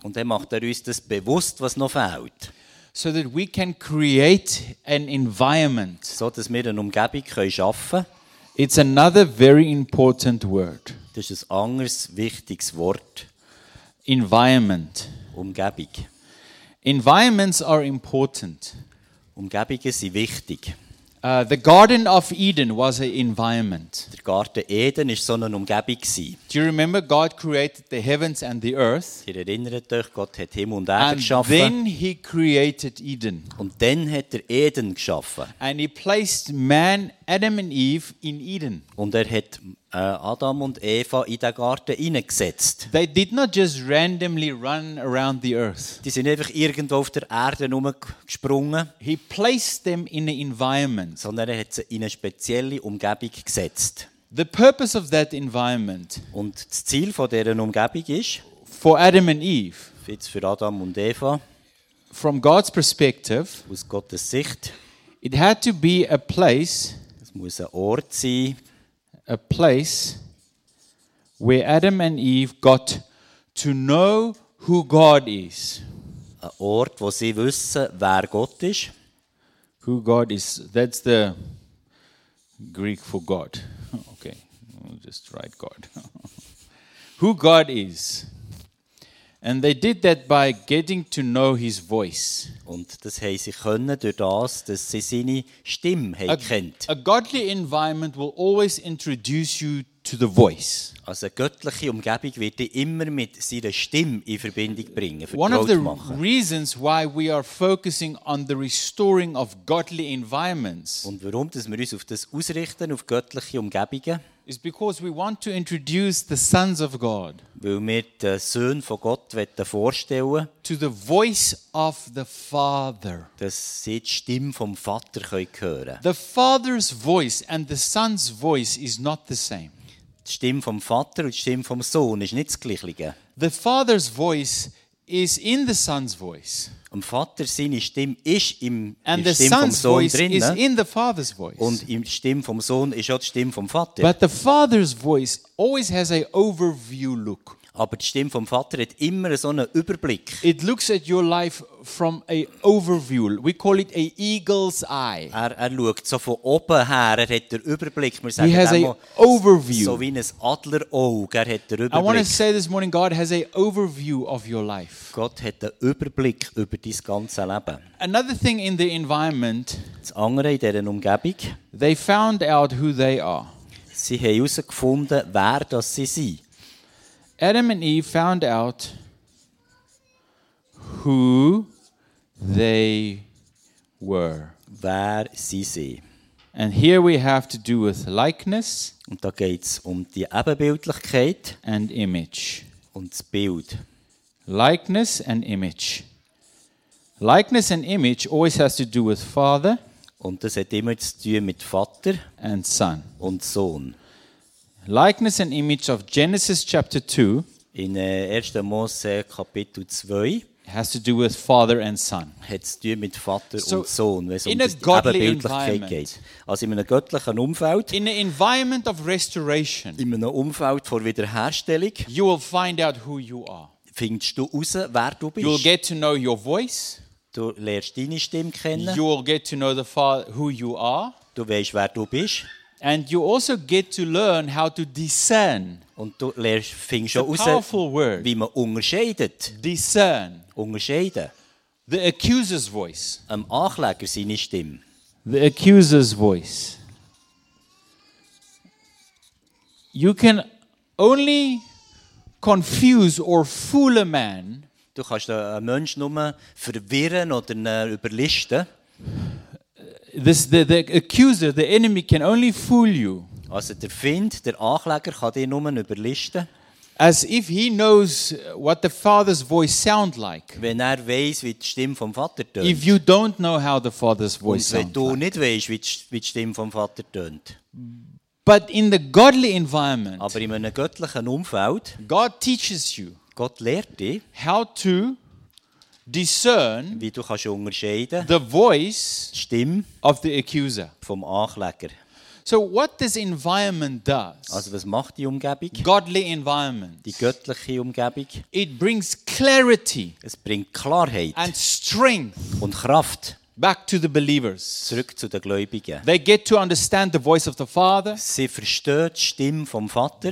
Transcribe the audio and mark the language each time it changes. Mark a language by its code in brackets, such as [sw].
[de] Und dann macht er uns das bewusst, was noch fehlt. [en] So that we can create an environment. [de] So dass wir eine Umgebung können schaffen. [en] It's another very important word. [de] Das ist ein anderes wichtiges Wort. [en] Environment. [de] Umgebung. [en] Environments are important. [de] Umgebungen sind wichtig. [en] The Garden of Eden was an environment. [de] Der Garten Eden ist so eine Umgebung gsi. [en] Do you remember God created the heavens and the earth? [de] Ihr erinnert euch, Gott hat Himmel und Erde geschaffen. [en] Then he created Eden. [de] Und dann hat er Eden geschaffen. [en] And he placed man, Adam and Eve in Eden. [de] Und er hat Adam und Eva in den Garten hineingesetzt. [en] They did not just randomly run around the earth. [de] Die sind einfach irgendwo auf der Erde rumgesprungen. [en] He placed them in an environment. [de] Sondern er hat sie in eine spezielle Umgebung gesetzt. [en] The purpose of that environment. [de] Und das Ziel von dieser Umgebung ist, [en] for Adam and Eve. [de] Jetzt für Adam und Eva. [en] From God's perspective. [de] Aus Gottes Sicht. [en] It had to be a place. [de] Es muss ein Ort sein. [en] A place where Adam and Eve got to know who God is. [de] Ein Ort, wo sie wissen, wer Gott ist. [en] Who God is. That's the Greek for God. Okay, we'll just write God. Who God is. And they did that by getting to know his voice. [de] Und das haben sie können durch das, dass sie seine Stimme haben kennt. [en] A godly environment will always introduce you to the voice. [de] Also eine göttliche Umgebung wird dich immer mit seiner Stimme in Verbindung bringen, vertraut machen. [en] One of the reasons why we are focusing on the restoring of godly environments. [de] Und warum, dass wir uns auf das ausrichten, auf göttliche Umgebungen? [en] Is because we want to introduce the sons of God. [de] Weil wir den Söhnen von Gott wollen vorstellen. [en] To the voice of the Father. [de] Dass sie die Stimme vom Vater können hören. [en] The Father's voice and the Son's voice is not the same. [de] Die Stimme vom Vater und die Stimme vom Sohn ist nicht das Gleiche. [en] The Father's voice is in the Son's voice. [de] Und Vater, seine Stimme ist im [en] and [de] der Stimme [en] Son's [de] vom Sohn [en] voice [de] drin. [en] Is in the Father's voice. [de] Und im Stimme vom Sohn ist auch die Stimme vom Vater. [en] But the Father's voice always has a overview look. [de] Aber die Stimme vom Vater hat immer so einen Überblick. [en] It looks at your life from a overview. We call it a eagle's eye. [de] Er schaut so von oben her. Er hat den Überblick. Wir sagen [en] he has a overview. [de] So wie ein Adlerauge. Er hat den Überblick. [en] I want to say this morning, God has a overview of your life. [de] Gott hat den Überblick über dein ganzes Leben. [en] Another thing in the environment. [de] Das andere in dieser Umgebung. [en] They found out who they are. [de] Sie haben herausgefunden, wer das sie sind. [en] Adam and Eve found out who they were. [de] Wer sie sind. [en] And here we have to do with likeness. [de] Und da geht's die Ebenbildlichkeit. [en] And image. [de] Und das Bild. [en] Likeness and image. Likeness and image always has to do with father. [de] Und das hat immer zu tun mit Vater. [en] And son. [de] Und Sohn. [en] Likeness and image of Genesis chapter 2. [de] In 1. Mose Kapitel 2. [en] Has to do with father and son. [de] Hat zu tun mit Vater und Sohn, wenn es um das Ebenbildlichkeit geht. Also in einem göttlichen Umfeld. [en] In an environment of restoration. [de] In einem Umfeld vor Wiederherstellung. [en] You will find out who you are. [de] Findest du raus, wer du bist. [en] You will get to know your voice. [de] Du lernst deine Stimme kennen. [en] You will get to know the father, who you are. [de] Du weißt, wer du bist. [en] And you also get to learn how to discern. [de] Und du lernst, findest schon raus, [en] powerful word. [de] Wie man unterscheidet. [en] Discern. [de] Unterscheiden. [en] The accuser's voice. [de] Am Ankläger seine Stimme. [en] The accuser's voice. You can only confuse or fool a man. [de] Du kannst einen Menschen nur verwirren oder überlisten. [en] The accuser, the enemy can only fool you. [de] Also der Feind, der Ankläger kann dich nur überlisten. [en] As if he knows what the father's voice sound like. [de] Wenn er weiß, wie die Stimme vom Vater tönt. [en] If you don't know how the father's voice sounds. [de] Wenn du nicht weißt, wie die Stimme vom Vater tönt. [en] But in the godly environment. [de] Aber in einem göttlichen Umfeld. [en] God teaches you. [de] Gott lehrt dich. [en] How to discern. [de] Wie du kannst unterscheiden. [en] The voice. [de] Die Stimme. [en] Of the accuser. [de] Vom Ankläger. [en] So what this environment does? [de] Also was macht die Umgebung? [en] Godly environment. [de] Die göttliche Umgebung. [en] It brings clarity. [de] Es bringt Klarheit. [en] And strength. [de] Und Kraft. [en] Back to the believers. [de] Zurück zu den Gläubigen. [en] They get to understand the voice of the Father. [de] Sie verstehen die Stimme vom Vater.